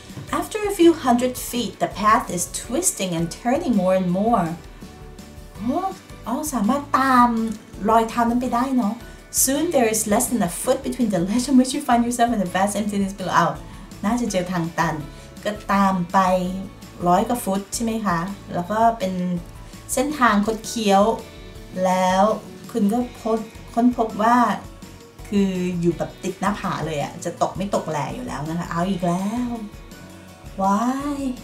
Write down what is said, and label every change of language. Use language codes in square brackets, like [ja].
[en] After a few hundred feet, the path is twisting and turning more and more. [th] Oh, สามารถตามรอยเท้านั้นไปได้เนาะ [en] Soon there is less than a foot between the ledge on which you find yourself and the vast emptiness below. Out. [th] น่าจะเจอทางตันก็ตามไปร้อยกว่าฟุตใช่ไหมคะแล้วก็เป็นเส้นทางคดเคี้ยวแล้วคุณก็ค้นพบว่าคืออยู่แบบติดหน้าผาเลยอะจะตกไม่ตกแหล่อยู่แล้วนะคะเอาอีกแล้ว [en] Why?